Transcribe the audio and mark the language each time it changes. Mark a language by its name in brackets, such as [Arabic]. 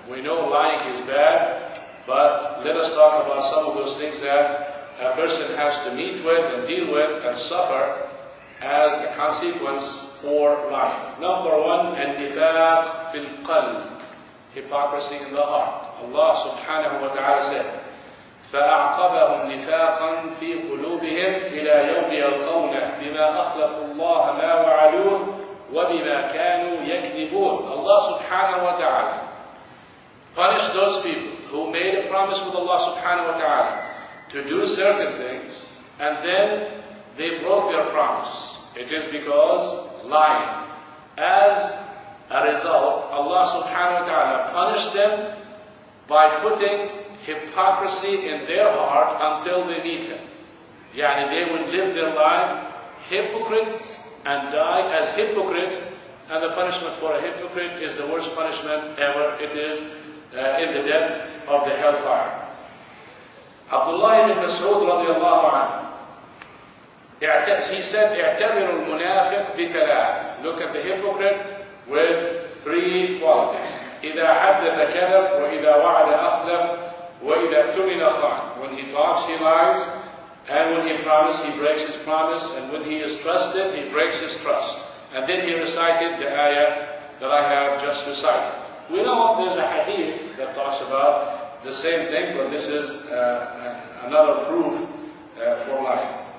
[English] We know lying is bad, but let us talk about some of those things that a person has to meet with and deal with and suffer as a consequence for lying. Number one, [Arabic] النفاق في القلب, [English] hypocrisy in the heart. Allah subhanahu wa ta'ala said, [Arabic] فَأَعْقَبَهُمْ نِفَاقًا فِي قُلُوبِهِمْ إِلَى يَوْمِ يَلْقَوْنَهُ بِمَا أَخْلَفُ اللَّهَ مَا وَعَدُوهُ وَبِمَا كَانُوا يَكْذِبُونَ. [English] Allah subhanahu wa ta'ala punished those people who made a promise with Allah subhanahu wa ta'ala to do certain things, and then they broke their promise. It is because lying. As a result, Allah subhanahu wa ta'ala punished them by putting hypocrisy in their heart until they meet Him. Yani they would live their life hypocrites and die as hypocrites, and the punishment for a hypocrite is the worst punishment ever. It is in the depth of the hellfire. Abdullah ibn Mas'ud radiallahu anhu, he said, [Arabic] اعتبروا المنافق بثلاث. [English] Look at the hypocrite with three qualities. [Arabic] إذا حدث كذب وإذا وعد أخلف وإذا اؤتمن خان. [English] When he talks, he lies. And when he promises, he breaks his promise. And when he is trusted, he breaks his trust. And then he recited the ayah that I have just recited. We know there's a hadith that talks about the same thing, but this is another proof for lying.